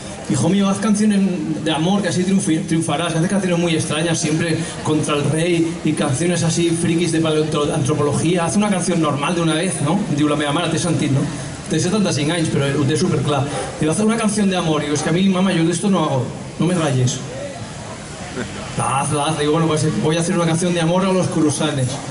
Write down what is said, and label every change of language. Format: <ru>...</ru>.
<es>Hijo mío, haz canciones de amor que así triunfarás. Haz canciones muy extrañas, siempre contra el rey y canciones así frikis de paleoantropología. Haz una canción normal de una vez, ¿no?</es> <ca>Diu la meva mare, t'he sentit, ¿no? Té 75 anys, però ho té superclar.</ca> <es>Diu, haz una canción de amor. Y digo, es que a mí, mamá, yo de esto no hago. No me rayes. La haz. Digo, bueno, pues voy a hacer una canción de amor a los cruzanes.</es>